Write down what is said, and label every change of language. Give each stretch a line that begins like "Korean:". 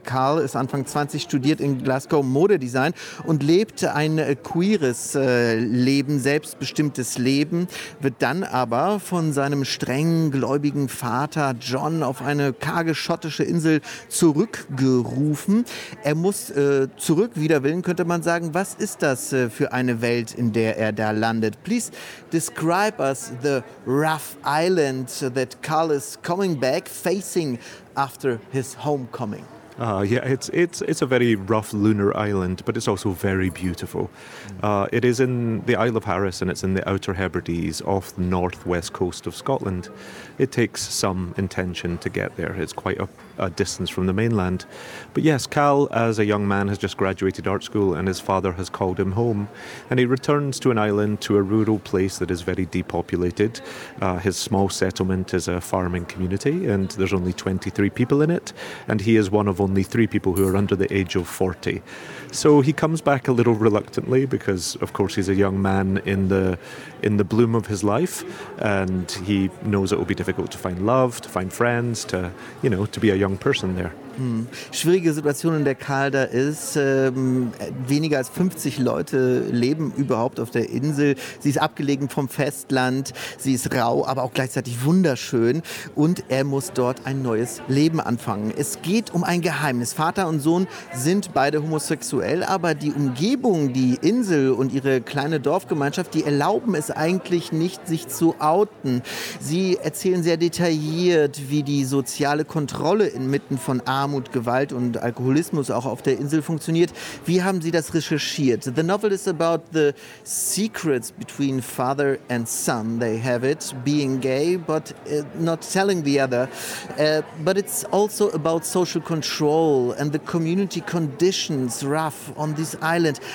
German: Carl ist Anfang 20, studiert in Glasgow Modedesign und lebt ein queeres Leben, selbstbestimmtes Leben, wird dann aber von seinem strengen, gläubigen Vater John auf eine karge schottische Insel zurückgerufen. Er muss zurück, wider Willen könnte man sagen. Was ist das für eine Welt, in der er da landet?
English: Please describe us the rough island that Carl is coming back facing after his homecoming. It's a very rough lunar island, but it's also very beautiful. It is in the Isle of Harris, and it's in the Outer Hebrides off the northwest coast of Scotland. It takes some intention to get there. It's quite a distance from the mainland. But yes, Cal, as a young man, has just graduated art school, and his father has called him home. And he returns to an island, to a rural place that is very depopulated. His small settlement is a farming community, and there's only 23 people in it. And he is one of only three people who are under the age of 40. So he comes back a little reluctantly because, of course, he's a young man in the bloom of his life, and he knows it will be difficult to find love, to find friends, to, you know, to be a young person there.
German: Schwierige Situation, in der Karl da ist. Weniger als 50 Leute leben überhaupt auf der Insel. Sie ist abgelegen vom Festland. Sie ist rau, aber auch gleichzeitig wunderschön. Und er muss dort ein neues Leben anfangen. Es geht um ein Geheimnis. Vater und Sohn sind beide homosexuell, aber die Umgebung, die Insel und ihre kleine Dorfgemeinschaft, die erlauben es eigentlich nicht, sich zu outen. Sie erzählen sehr detailliert, wie die soziale Kontrolle inmitten von Armut, Gewalt und Alkoholismus auch auf der Insel funktioniert. Wie haben Sie das recherchiert?
English: The novel is about the secrets between father and son. They have it, being gay, but not telling the other. But it's also about social control and the community conditions rough on this island.